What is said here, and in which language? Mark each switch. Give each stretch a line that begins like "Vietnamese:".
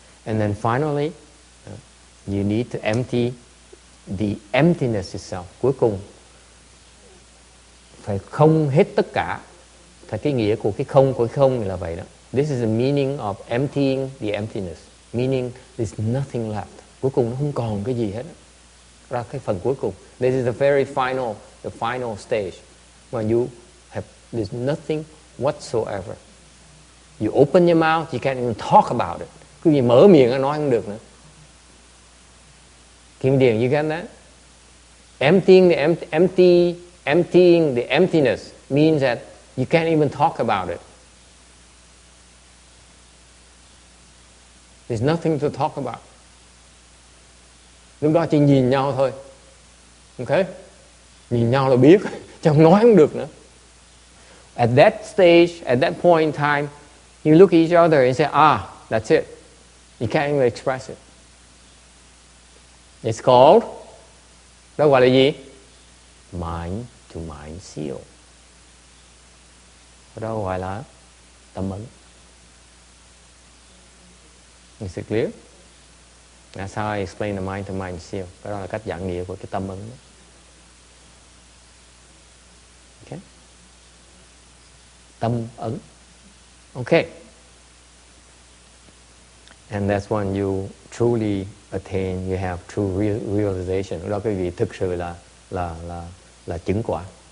English: And then finally, you need to empty the emptiness itself.
Vietnamese: Cuối cùng, phải không hết tất cả. Thật cái nghĩa của cái không là vậy đó.
English: This is the meaning of emptying the emptiness. Meaning, there's nothing left.
Vietnamese: Cuối cùng, nó không còn cái gì hết. Ra cái phần cuối cùng.
English: This is the very final, the final stage. When you have, there's nothing whatsoever. You open your mouth, you can't even talk about it.
Vietnamese: Quý vị mở miệng nói không được nữa.
English: Kim Điền, you get that? Emptying the emptying the emptiness means that you can't even talk about it. There's nothing to talk about.
Vietnamese: Lúc đó chỉ nhìn nhau thôi. Okay? Nhìn nhau là biết, chứ không nói không được nữa.
English: At that stage, at that point in time, you look at each other and say, ah, that's it. You can't even express it. It's called,
Vietnamese: đó gọi là gì?
English: Mind to mind seal.
Vietnamese: Đó gọi là tâm ấn.
English: Is it clear? That's how I explain the mind to mind seal.
Vietnamese: Đó là cách dạng nghĩa của cái tâm ấn đó. Okay? Tâm ấn. Okay.
English: And that's when you truly attain, you have true realization.
Vietnamese: Đó quý vị thực sự là chứng quả.